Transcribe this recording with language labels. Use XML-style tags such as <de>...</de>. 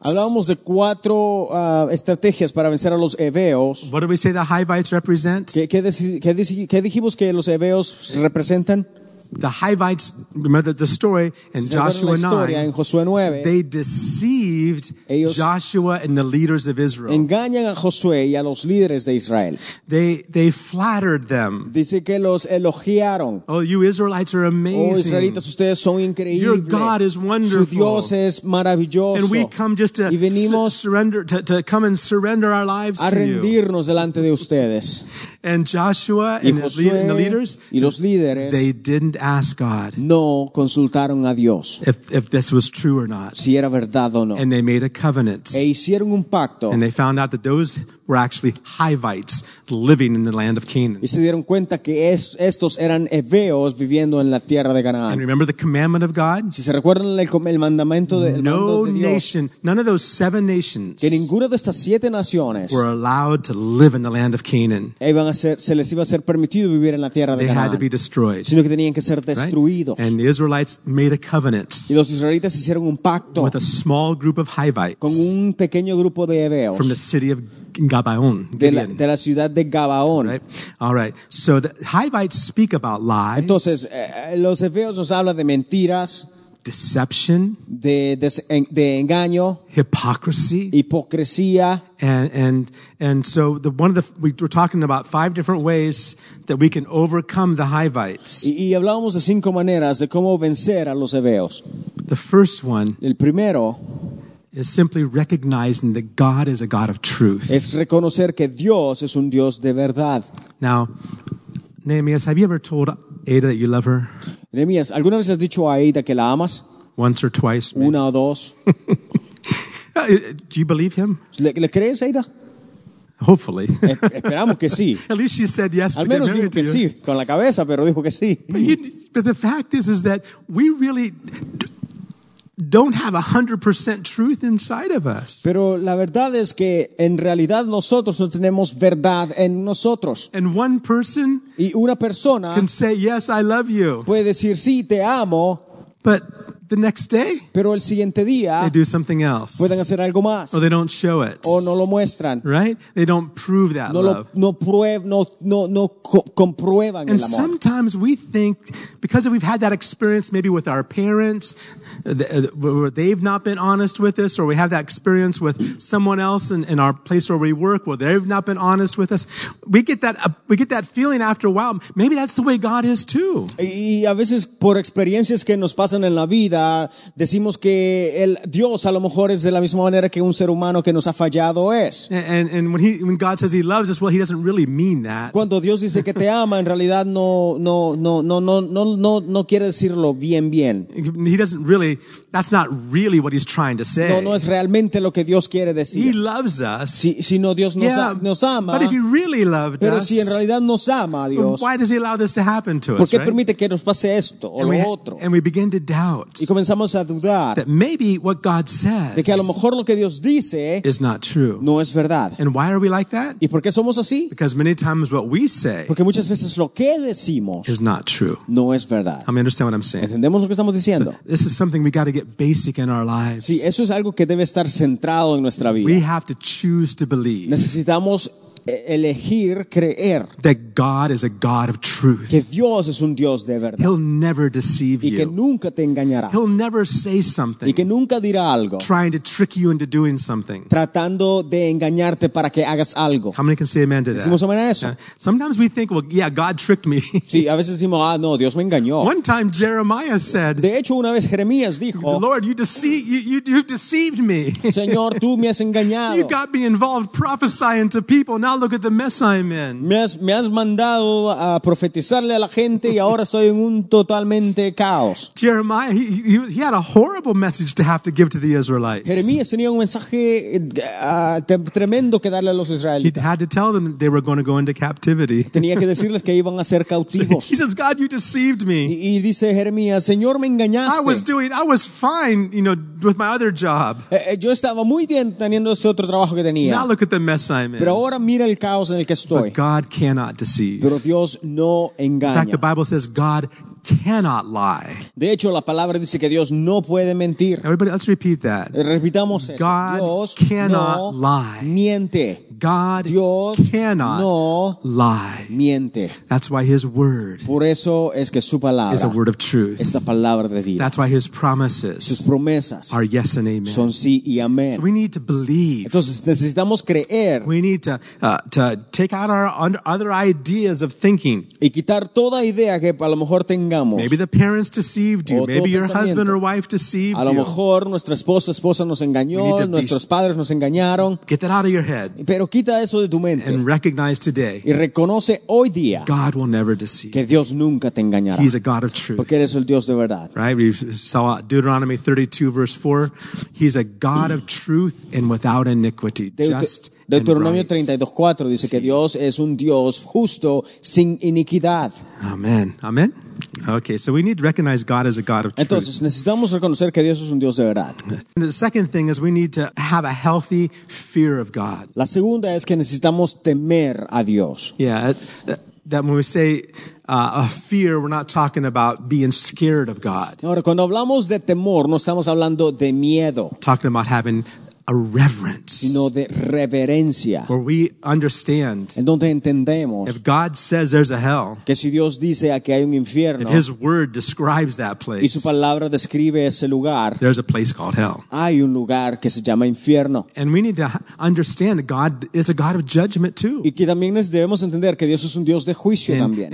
<es>Hablamos de cuatro estrategias para vencer a los heveos.</es> <en>What do we say the Hivites represent?</en> <es>¿Qué dijimos que los heveos representan?</es> <en>The Hivites, remember the story in Joshua 9, they deceived Joshua and the leaders of Israel.</en> <es>Engañan a Josué y a los líderes de Israel.</es> <en>They flattered them.</en> <es>Dice que los elogiaron.</es> <en>Oh, you Israelites are amazing.</en> <es>Oh, israelitas, ustedes son increíbles.</es> <en>Your God is wonderful.</en> <es>Su Dios es maravilloso.</es> <en>And we come just to</en> <es>y venimos</es> <en>to come and surrender our lives</en> <es>a rendirnos delante de ustedes.</es> <en>And Joshua and the leaders,</en> <es>y los líderes,</es> <en>they didn't ask God</en> <es>no consultaron a Dios</es> <en>if this was true or not.</en> <es>Si era verdad o no.</es> <en>And they made a covenant.</en> <es>E hicieron un pacto.</es> <en>And they found out that those were actually Hivites living in the land of Canaan.</en> <es>Y se dieron cuenta que estos eran heveos viviendo en la tierra de Canaán.</es> <en>And remember the commandment of God?</en> <es>Si se recuerdan el mandamiento de, el no mando de Dios,</es> <en>nation, none of those seven nations</en> <es>que ninguna de estas siete naciones</es> <en>were allowed to live in the land of Canaan.</en> <es>Se les iba a ser permitido vivir en la tierra de Canaán, sino que tenían que ser destruidos.</es> <en>Right? And the Israelites made a covenant</en> <es>y los israelitas hicieron un pacto</es> <en>with a small group of Hivites</en> <es>con un pequeño grupo de heveos</es> <en>from the city of Gabaón,</en> <es>de la ciudad de Gabaón.</es> <en>Right? All right. So the Hivites speak about lies.</en> <es>Entonces, los heveos nos hablan de mentiras.</es> <en>Deception,</en> <es>de engaño,</es> <en>hypocrisy,</en> <es>hipocresía,</es> <en>and so the one of the we're talking about five different ways that we can overcome the Hivites.</en> <es>Y hablamos de cinco maneras de cómo vencer a los heveos.</es> <en>The first one,</en> <es>el primero,</es> <en>is simply recognizing that God is a God of truth.</en> <es>Es reconocer que Dios es un Dios de verdad.</es> <en>Now, Nehemias, have you ever told Ada that you love her?</en> <es>Nehemias, ¿alguna vez has dicho a Ada que la amas?</es> <en>Once or twice, maybe.</en> <es>Una o dos.</es> <en>Do you believe him?</en> <es>¿Le crees, Ada?</es> <en>Hopefully.</en> <es>Esperamos que sí.</es> <en>At least she said yes</en> <es>al menos</es> <en>to get married</en> <es>dijo que</es> <en>to</en> <es>sí, con la cabeza, pero dijo que sí.</es> <en>But the fact is that we really don't have 100% truth inside of us.</en> <es>Pero la verdad es que en realidad nosotros no tenemos verdad en nosotros.</es> <en>And one person</en> <es>y una persona</es> <en>can say yes, I love you.</en> <es>Puede decir sí, te amo.</es> <en>But the next day,</en> <es>pero el siguiente día,</es> <en>they do something else.</en> <es>Pueden hacer algo más.</es> <en>Or they don't show it.</en> <es>O no lo muestran.</es> <en>Right? They don't prove that</en> <es>no</es> <en>love.</en> <es>No comprueban</es> <en>and</en> <es>el amor.</es> <en>Sometimes we think because we've had that experience maybe with our parents, they've not been honest with us, or we have that experience with someone else in our place where we work, where they've not been honest with us. We get that feeling after a while. Maybe that's the way God is too.</en> <es>Y a veces por experiencias que nos pasan en la vida, decimos que el Dios a lo mejor es de la misma manera que un ser humano que nos ha fallado es.</es> <en>And when God says He loves us, well, He doesn't really mean that.</en> <es>Cuando Dios dice que te ama, en realidad no quiere decirlo bien bien.</es> <en>He doesn't really. That's not really what He's trying to say.</en> <es>No es realmente lo que Dios quiere decir.</es> <en>He loves us.</en> <es>Sino Dios nos ama.</es> <en>But if He really loved</en> <es>pero</es> <en>us,</en> <es>si en realidad nos ama a Dios,</es> <en>why does He allow this to happen to us?</en> <es>¿Por qué</es> <en>right?</en> <es>permite que nos pase esto o</es> <en>and</en> <es>lo</es> <en>we,</en> <es>otro?</es> <en>And we begin to doubt.</en> <es>Y comenzamos a dudar.</es> <en>That maybe what God says</en> <es>de que a lo mejor lo que Dios dice</es> <en>is not true.</en> <es>No es verdad.</es> <en>And why are we like that?</en> <es>¿Y por qué somos así?</es> <en>Because many times what we say</en> <es>porque muchas veces lo que decimos</es> <en>is not true.</en> <es>No es verdad.</es> <en>I mean, understand what I'm saying.</en> <es>¿Entendemos lo que estamos diciendo?</es> <en>So, this is something we got to get basic in our lives.</en> <es>Sí, eso es algo que debe estar centrado en nuestra vida.</es> <en>We have to choose to believe.</en> <es>Necesitamos elegir creer</es> <en>that God is a God of truth.</en> <es>Que Dios es un Dios de verdad.</es> <en>He'll never deceive</en> <es>y que</es> <en>you.</en> <es>Nunca te engañará.</es> <en>He'll never say something</en> <es>y que nunca dirá algo</es> <en>trying to trick you into doing something.</en> <es>Tratando de engañarte para que hagas algo.</es> <en>How many can say amen to that?</en> <es>Decimos amen a eso.</es> <en>Yeah. Sometimes we think, well, yeah, God tricked me.</en> <es>Sí, a veces decimos, ah, no, Dios me engañó.</es> <en>One time Jeremiah said,</en> <es>de hecho, una vez Jeremías dijo,</es> <en>Lord, you've deceived me.</en> <es>Señor, tú me has engañado.</es> <en>You got me involved prophesying to people. Now look at the mess I'm in.</en> <es>Me has mandado a profetizarle a la gente y ahora estoy en un totalmente caos.</es> <en>Jeremiah, he had a horrible message to have to give to the Israelites.</en> <es>Jeremías tenía un mensaje tremendo que darle a los israelitas.</es> <en>He had to tell them they were going to go into captivity.</en> <es>Tenía que decirles que iban a ser cautivos.</es> <en>He says, God, you deceived me.</en> <es>Y dice Jeremías, Señor, me engañaste.</es> <en>I was fine, you know, with my other job.</en> <es>Yo estaba muy bien teniendo ese otro trabajo que tenía.</es> <en>Now look at the mess I'm in.</en> <es>Pero ahora mira el caos en el que estoy.</es> <en>But God cannot deceive.</en> <es>Pero Dios no engaña.</es> <en>In fact, the Bible says God cannot lie.</en> <es>De hecho, la palabra dice que Dios no puede mentir.</es> <en>Everybody, let's repeat that.</en> <es>Repitamos eso.</es> <en>God</en> <es>Dios</es> <en>cannot lie.</en> <es>Miente.</es> <en>God</en> <es>Dios</es> <en>cannot</en> <es>no</es> <en>lie.</en> <es>Miente.</es> <en>That's why His word</en> <es>por eso es que su palabra</es> <en>is a word of truth.</en> <es>Es la palabra de vida.</es> <en>That's why His promises</en> <es>sus promesas</es> <en>are yes and amen.</en> <es>Son sí y amén.</es> <en>So we need to believe.</en> <es>Entonces necesitamos creer.</es> <en>We need to take out our other ideas of thinking.</en> <es>Y quitar toda idea que a lo mejor tengamos.</es> <en>Maybe the parents deceived you. Maybe your husband or wife deceived</en> <es>a</es> <en>you.</en> <es>A lo mejor nuestra esposa nos engañó. Nuestros padres nos engañaron.</es> <en>Get that out of your head.</en> <es>Pero quita eso de tu mente.</es> <en>And recognize today,</en> <es>y reconoce hoy día,</es> <en>God will never deceive.</en> <es>Que Dios nunca te engañará.</es> <en>He's a God of truth.</en> <es>Porque eres el Dios de verdad.</es> <en>Right? We saw Deuteronomy 32 verse 4. He's a God of truth and without iniquity.</en> <es>Deuteronomio 32:4 dice que Dios es un Dios justo sin iniquidad.</es> <en>Amen. Amen. Okay, so we need to recognize God as a God of truth.</en> <es>Entonces, necesitamos reconocer que Dios es un Dios de verdad.</es> <en>And the second thing is we need to have a healthy fear of God.</en> <es>La segunda es que necesitamos temer a Dios.</es> <en>Yeah, that when we say a fear, we're not talking about being scared of God.</en> <es>Ahora, cuando hablamos de temor, no estamos hablando de miedo.</es> <en>Talking about having a reverence,</en> <es>sino de reverencia,</es> <en>where we understand,</en> <es>en donde entendemos,</es> <en>if God says there's a hell,</en> <es>que si Dios dice aquí hay un infierno,</es> <en>if His word describes that place,</en> <es>y su palabra describe ese lugar,</es> <en>there's a place called hell.</en> <es>Hay un lugar que se llama infierno,</es> <en>and we need to understand that God is a God of judgment too.</en> <es>Y que también debemos entender que Dios es un Dios de juicio también.</es>